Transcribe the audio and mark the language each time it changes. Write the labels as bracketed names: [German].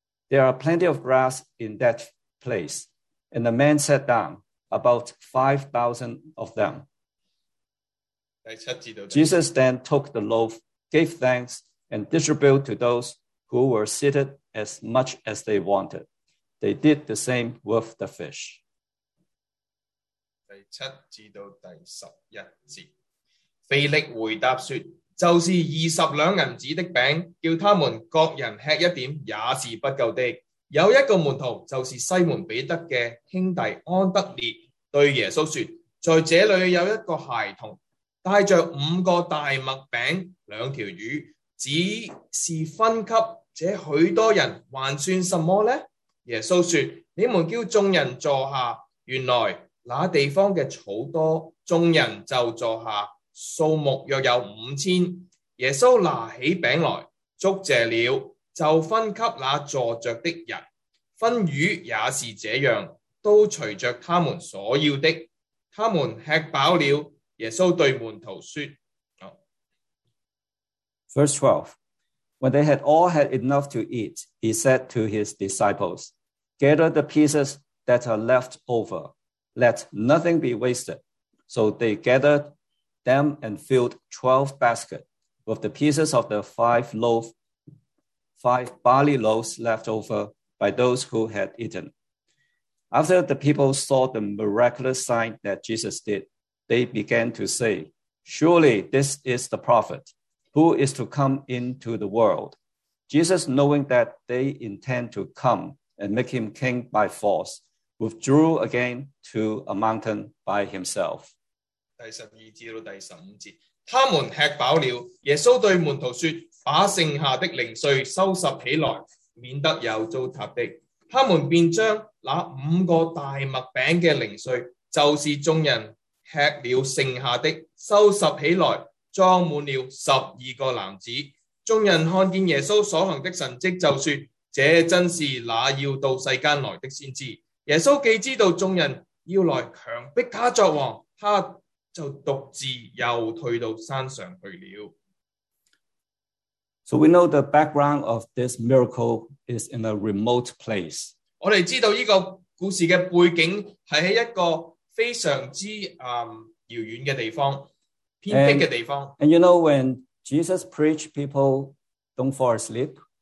[English] There are plenty of grass in that place. And the men sat down, about 5,000 of them. Jesus then took the loaf, gave thanks, and distributed to those who were seated as much as they wanted. They did the same with the fish. [Chinese] 第七至到第十一节，腓力回答说：就是20两银子的饼，叫他们各人吃一点也是不够的。有一个门徒，就是西门彼得的兄弟安德烈，对耶稣说：在这里有一个孩童，带着5个大麦饼2条鱼，只是分给这许多人，还算什么呢？耶稣说：你们叫众人坐下。原来那地方的草多，众人就坐下，数目约有5000。耶稣拿起饼来，祝谢了，就分给那坐着的人，分鱼也是这样，都都随着他们所要的。他们吃饱了，耶稣对门徒说。 [English] Verse 12, when they had all had enough to eat, he said to his disciples, gather the pieces that are left over, let nothing be wasted. So they gathered them and filled 12 baskets with the pieces of the five barley loaves left over by those who had eaten. After the people saw the miraculous sign that Jesus did, they began to say, surely this is the prophet who is to come into the world. Jesus, knowing that they intend to come and make him king by force, withdrew again to a mountain by himself. [Chinese] 第十二节到第十五节，他们吃饱了，耶稣对门徒说，把剩下的零碎收拾起来，免得又糟蹋的。他们便将那五个大麦饼的零碎，就是众人吃了剩下的，收拾起来，装满了十二个篮子。众人看见耶稣所行的神迹，就说，这真是那要到世间来的先知。耶稣既知道众人要来强迫他作王，他就独自又退到山上去了。 [English] So we know the background of this miracle is in a remote place. [Chinese] 我们知道这个故事的背景是在一个非常之遥远的地方，偏僻的地方。 [English] And you know, when Jesus preached, people don't fall asleep.